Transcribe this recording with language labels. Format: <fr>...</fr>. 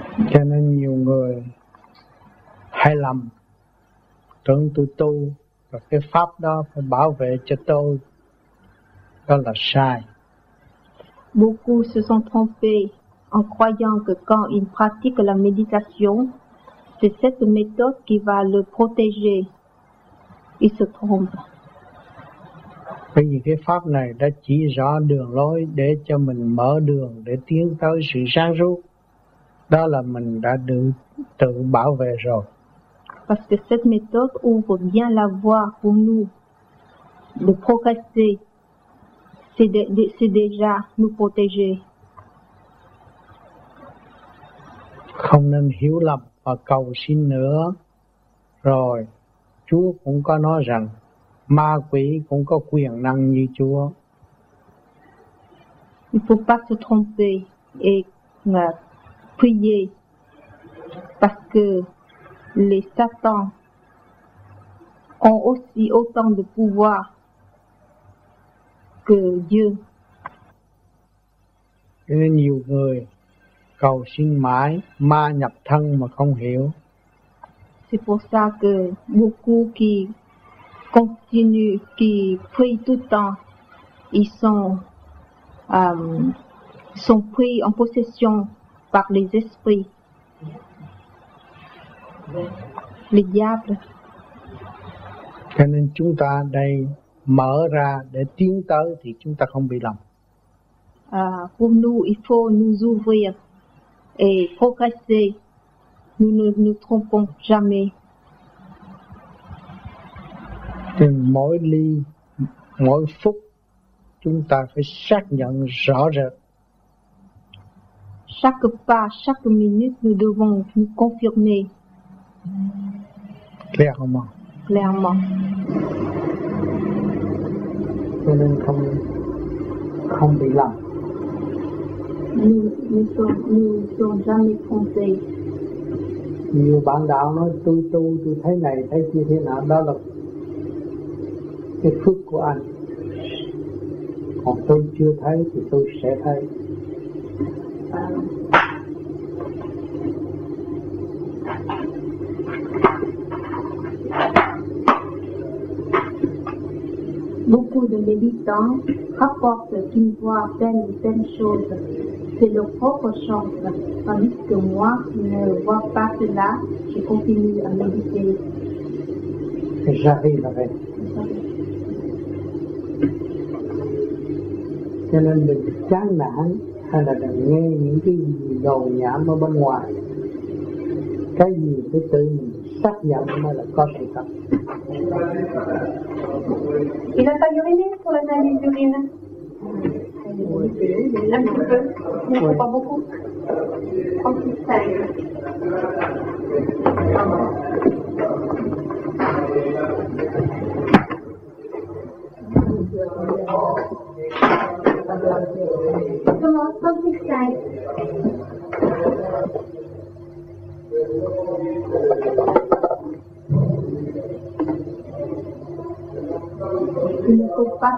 <vi>Cho nên nhiều người hay lầm, tưởng tôi tu và cái pháp đó phải bảo vệ cho tôi, đó là sai.</vi> <fr>Beaucoup se sont trompés en croyant que quand ils pratiquent la méditation, c'est cette méthode qui va le protéger. Ils se trompent.</fr> <vi>Bởi vì cái pháp này đã chỉ rõ đường lối để cho mình mở đường để tiến tới sự sáng suốt. Đó là mình đã được tự bảo vệ rồi.</vi> <fr>Parce que cette méthode ouvre bien la voie pour nous de progresser. C'est déjà nous protéger.</fr> <vi>Không nên hiểu lầm và cầu xin nữa. Rồi, Chúa cũng có nói rằng ma quỷ cũng có quyền năng như Chúa.</vi> <fr>Il faut pas se tromper et prier parce que les satans ont aussi autant de pouvoir que Dieu.</fr> <vi>Nên nhiều người cầu xin mãi ma nhập thân mà không hiểu.</vi> <fr>C'est pour ça que beaucoup qui continuent, qui prient tout le temps, ils sont pris en possession par les esprits, les diables.</fr> <vi>Cho nên chúng ta đây mở ra để tiến tới thì chúng ta không bị lầm.</vi> <fr>Pour nous, il faut nous ouvrir et progresser. Nous ne nous trompons jamais.</fr> <vi>Thì mỗi ly, mỗi phút, chúng ta phải xác nhận rõ rệt.</vi> <fr>Chaque pas, chaque minute, nous devons nous confirmer. Clairement. Clairement.</fr> <vi>Cho nên không bị lầm.</vi> <fr>nous sommes jamais trompés.</fr> <vi>Nhiều bạn đạo nói tôi tu, tôi thấy này, thấy kia thế nào, đó là cái phước của anh. Còn tôi chưa thấy thì tôi sẽ thấy.</vi> <fr>Beaucoup de méditants rapportent qu'ils voient telle ou telle chose. C'est leur propre chance, tandis que moi, je ne vois pas cela, je continue à méditer. J'arriverai.</fr> <vi>Cho nên đừng chán nản hay là đừng nghe những cái gì đồn nhảm ở bên ngoài. Cái gì phải tự mình xác nhận mới là có sự thật.</vi> <fr>Il a pas uriné pour la dernière urine. Il ne faut pas</fr>